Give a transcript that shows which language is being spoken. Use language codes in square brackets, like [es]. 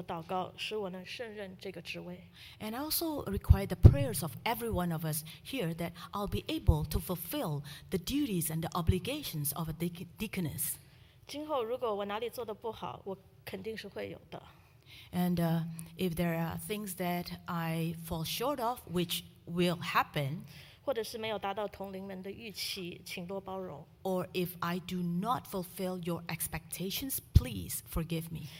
[zh] 同时我也请每位信徒为我祷告，使我能胜任这个职位。 [en] And I also require the prayers of every one of us here that I'll be able to fulfill the duties and the obligations of a deaconess. [zh] 今后如果我哪里做得不好，我肯定是会有的。 [en] And if there are things that I fall short of, which will happen, [zh] 或者是没有达到同龄们的预期，请多包容。 [en] Or if I do not fulfill your expectations, please forgive me.